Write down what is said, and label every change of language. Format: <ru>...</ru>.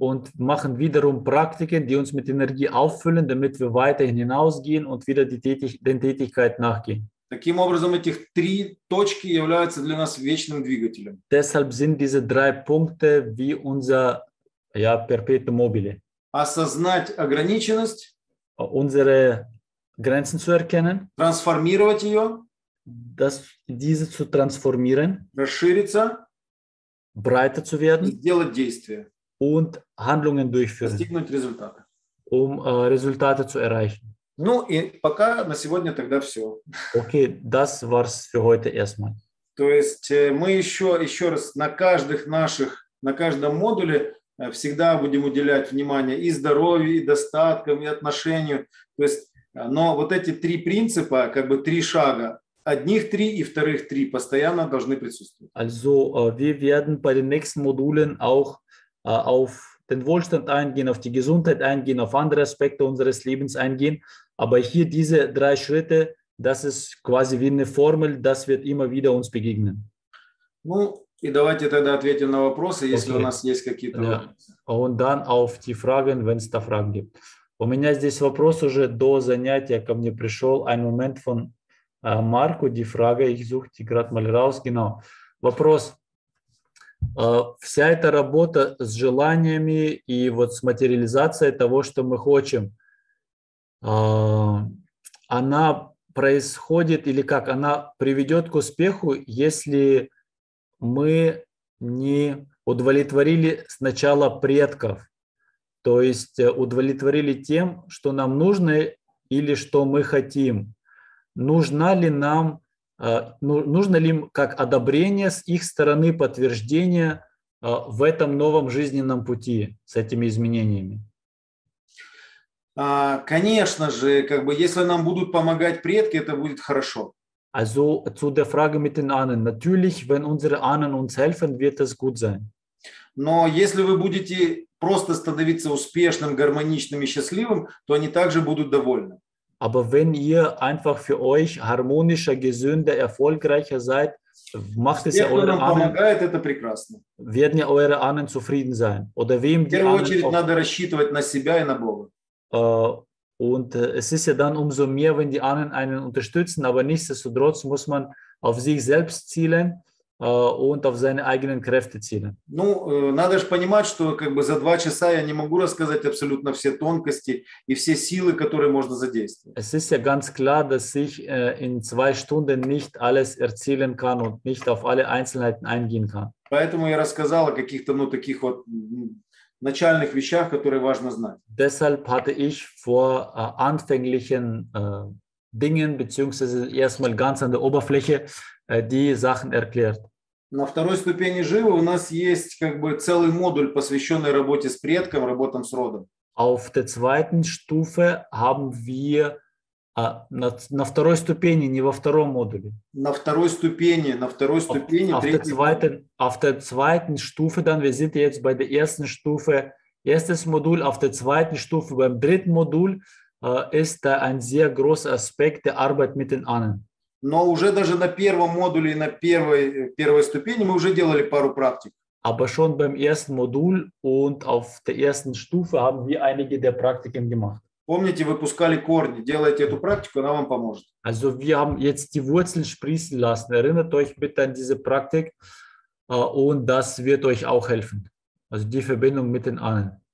<de>Und machen wiederum Praktiken, die uns mit Energie auffüllen, damit wir weiterhin hinausgehen und wieder den Tätigkeit nachgehen.</de> <ru>Таким образом, эти 3 точки являются для нас вечным двигателем.</ru> <de>Deshalb sind diese 3 Punkte wie unser ja, perpetuum mobile.</de> <ru>Осознать ограниченность.</ru> <de>Unsere Grenzen zu erkennen.</de> <ru>Трансформировать ее.</ru> <de>Diese zu transformieren.</de> <ru>Расшириться.</ru> <de>Breiter zu werden.</de> <ru>И сделать действия.</ru> <de>Und Handlungen durchführen.</de> <ru>Достигнуть результата. Результаты</ru> <de>zu erreichen.</de> <ru>Ну и пока на сегодня тогда все.</ru> <de>Okay, das war's für heute erstmal.</de> <ru>То есть мы еще раз на каждом модуле всегда будем уделять внимание и здоровью, и достаткам, и отношению. То есть, но вот эти 3 принципа, как бы 3 шага, Одних три и вторых три постоянно должны присутствовать.</ru> <de>Also, wir werden bei den nächsten Modulen auch auf den Wohlstand eingehen, auf die Gesundheit eingehen, auf andere Aspekte unseres Lebens eingehen. Aber hier diese drei Schritte, das ist quasi wie eine Formel, das wird immer wieder uns begegnen.</de> <ru>Ну, и давайте тогда ответим на вопросы, okay. Если у нас есть какие-то вопросы. Yeah.</ru> <de>Und dann auf die Fragen, wenn es da Fragen gibt.</de> <ru>У меня здесь вопрос уже до занятия ко мне пришел.</ru> <de>Ein Moment von Marco, die Frage, ich suche die gerade mal raus, genau.</de> <ru>Вопрос. Вся эта работа с желаниями и вот с материализацией того, что мы хотим, она происходит или как? Она приведет к успеху, если мы не удовлетворили сначала предков, то есть удовлетворили тем, что нам нужно или что мы хотим. Нужна ли нам, нужно ли им как одобрение с их стороны, подтверждение в этом новом жизненном пути с этими изменениями? Конечно же, как бы, если нам будут помогать предки, это будет хорошо.</ru> <de>Also zu der Frage mit den Ahnen. Natürlich, wenn unsere Ahnen uns helfen, wird es gut sein.</de> <ru>Но если вы будете просто становиться успешным, гармоничным и счастливым, то они также будут довольны.</ru> <de>Aber wenn ihr einfach für euch harmonischer, gesünder, erfolgreicher seid, macht es ja eure Ahnen, werden ja eure Ahnen zufrieden sein. Oder wem die Ahnen auch... Und es ist ja dann umso mehr, wenn die Ahnen einen unterstützen, aber nichtsdestotrotz muss man auf sich selbst zielen und auf seine eigenen Kräfte zielen.</de> <ru>Ну, надо же понимать, что как бы за два часа я не могу рассказать абсолютно все тонкости и все силы, которые можно задействовать.</ru> <de>Es ist ja ganz klar, dass ich in zwei Stunden nicht alles erzählen kann und nicht auf alle Einzelheiten eingehen kann.</de> <ru>Поэтому я рассказал о каких-то, ну, таких вот начальных вещах, которые важно знать.</ru> <de>Deshalb hatte ich vor anfänglichen Dingen beziehungsweise erstmal ganz an der Oberfläche die Sachen erklärt.</de> <ru>На второй ступени живы у нас есть как бы целый модуль, посвященный работе с предком, работам с родом.</ru> <de>Auf der zweiten Stufe haben wir</de> <ru>на второй ступени, не во втором модуле. На второй ступени.</ru> <de>Auf der zweiten Stufe dann, wir sind jetzt bei der ersten Stufe, erstes Modul, auf der zweiten Stufe, beim dritten Modul ist da ein sehr großer Aspekt der Arbeit mit den Ahnen.</de> <ru>Но уже даже на первом модуле и на первой ступени мы уже делали пару практик.</ru> <de>Aber schon beim ersten Modul und auf der ersten Stufe haben wir einige der Praktiken gemacht.</de> <ru>Помните, выпускали корни. Делайте эту практику, она вам поможет.</ru> <de>Also wir haben jetzt die Wurzeln sprießen lassen. Erinnert euch bitte an diese Praktik und das wird euch auch helfen. Also die Verbindung mit den Ahnen.</de>